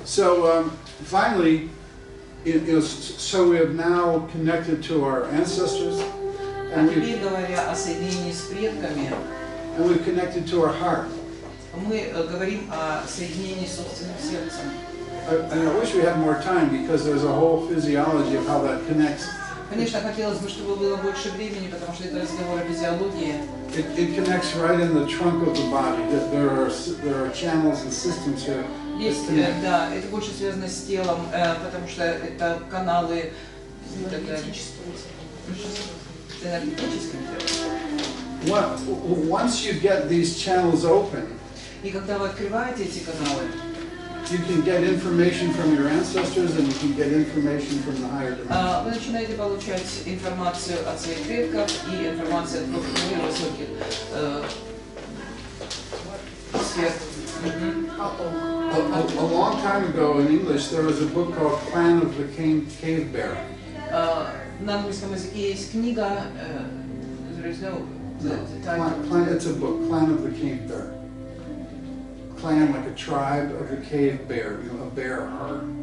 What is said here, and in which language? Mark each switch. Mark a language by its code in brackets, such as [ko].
[en] So, finally, so we have now connected to our ancestors. [ru] А теперь говоря о соединении с предками. [en] And we've connected to our heart. [ru] Мы говорим о соединении с собственным сердцем. [en] And I wish we had more time because there's a whole physiology of how that connects. [ru] Конечно, хотелось бы, чтобы было больше времени, потому что это разговор о физиологии. [en] It connects right in the trunk of the body. That there are channels and systems here. [ru] Есть, да, это больше связано с телом, потому что это каналы энергетическим телом. [en] Well, once you get these channels open. [ru] И когда вы открываете эти каналы. [en] You can get information from your ancestors, and you can get information from the higher dimensions. [ru] Вы начинаете получать информацию от своих предков и информацию от более высоких сфер. [en] A long time ago in English there was a book called Clan of the Cave Bear. [ru] На английском языке есть книга. [en] It's a book, Clan of the Cave Bear. Clan, like a tribe of a cave bear, you know, a bear heart.